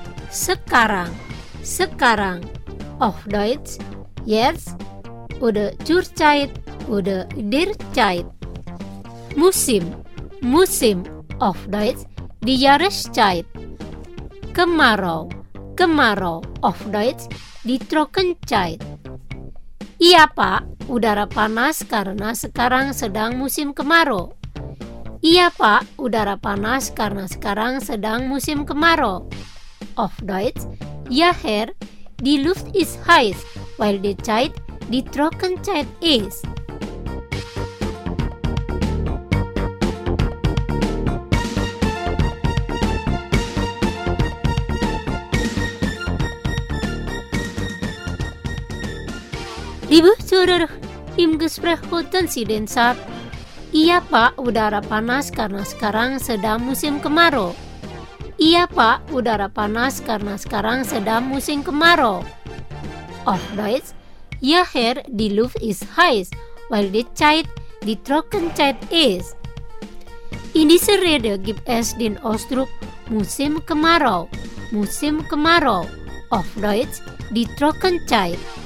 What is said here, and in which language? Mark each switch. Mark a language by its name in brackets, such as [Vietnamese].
[German] Sekarang, sekarang, auf Deutsch, jetzt, oder zur Zeit, oder der Zeit. Musim, musim, auf Deutsch, die Jahreszeit. Kemarau, kemarau, auf Deutsch, die Trockenzeit. [Indonesian] Iya, Pak. Udara panas karena sekarang sedang musim kemarau. Iya, Pak. Udara panas karena sekarang sedang musim kemarau. [German] Auf Deutsch. Ja, Herr. Die Luft ist heiß, weil die Zeit die Trockenzeit ist. Liebe Zuhörer, im Gespräch hörten Sie den Satz, [Indonesian] iya Pak, udara panas karena sekarang sedang musim kemarau. Iya Pak, udara panas karena sekarang sedang musim kemarau. [German] Auf Deutsch, ja Herr, die Luft ist heiß, weil die Zeit, die Trockenzeit ist. In dieser Rede gibt es den Ausdruck musim kemarau. Musim kemarau, auf Deutsch, die Trockenzeit.